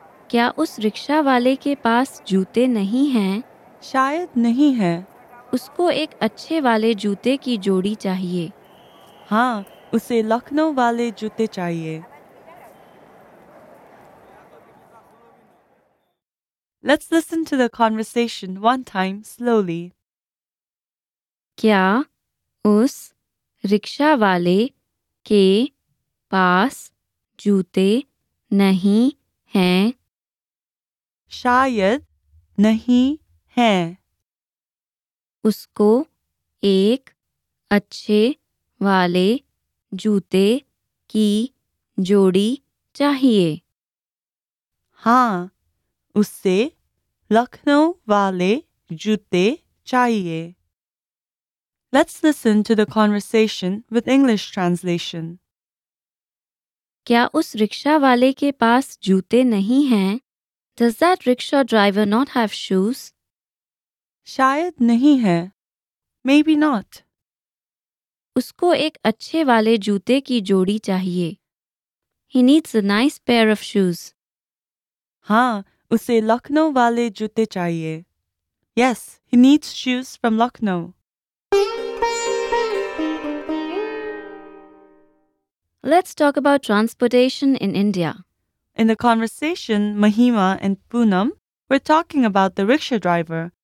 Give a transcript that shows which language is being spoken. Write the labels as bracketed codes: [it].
[hi] क्या उस रिक्शा वाले के पास जूते नहीं हैं? शायद नहीं है। उसको एक अच्छे वाले जूते की जोड़ी चाहिए। हाँ, उसे लखनऊ वाले जूते चाहिए। [en] Let's listen to the conversation one time slowly. [hi] क्या उस रिक्शा वाले के पास जूते नहीं हैं? शायद नहीं हैं। उसको एक अच्छे वाले जूते की जोड़ी चाहिए। हाँ, उसे लखनऊ वाले जूते चाहिए। [en] Let's listen to the conversation with English translation. [hi] क्या उस रिक्शा वाले के पास जूते नहीं हैं? [en] Does that rickshaw driver not have shoes? [hi] शायद नहीं है। [en] Maybe not. [hi] उसको एक अच्छे वाले जूते की जोड़ी चाहिए। [en] He needs a nice pair of shoes. [hi] हाँ, उसे लखनऊ वाले जूते चाहिए। [en] Yes, he needs shoes from Lucknow. Let's talk about transportation in India. In the conversation, Mahima and Poonam were talking about the rickshaw driver.